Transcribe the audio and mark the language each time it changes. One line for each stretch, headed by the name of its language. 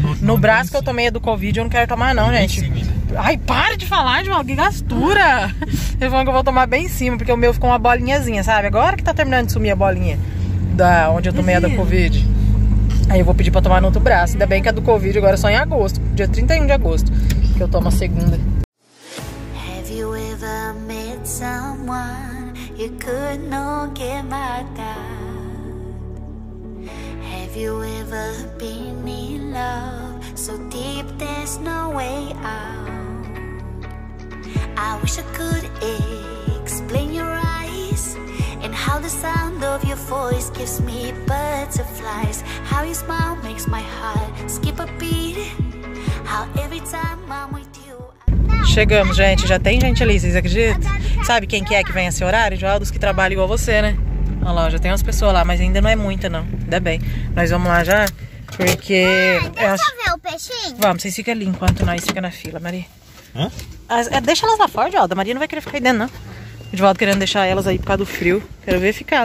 Portuguese: No braço que eu tomei é do Covid, eu não quero tomar, não, gente. Ai, para de falar, de que gastura. Eles falam que eu vou tomar bem em cima, porque o meu ficou uma bolinhazinha, sabe? Agora que tá terminando de sumir a bolinha da onde eu tomei a da Covid. Aí eu vou pedir pra tomar no outro braço. Ainda bem que a do Covid agora é só em agosto, dia 31 de agosto, que eu tomo a segunda.
English: Have you ever met someone you could not get my time? Have you ever been in love so deep there's no way out? I wish I could explain your eyes and how the sound of your voice gives me butterflies. How your smile makes my heart skip a beat. How every time I'm with you.
Portuguese: Chegamos, gente. Já tem gente ali, vocês acreditam? Sabe quem que é que vem a esse horário? Já é dos que trabalham igual você, né? Olha lá, já tem umas pessoas lá, mas ainda não é muita, não. Ainda bem. Nós vamos lá já, porque... Mãe, deixa eu ver o peixinho. Vamos, vocês ficam ali enquanto nós ficamos na fila, Maria. Hã? Deixa elas lá fora, Edvaldo. A Maria não vai querer ficar aí dentro, não. Edvaldo querendo deixar elas aí por causa do frio. Quero ver ficar.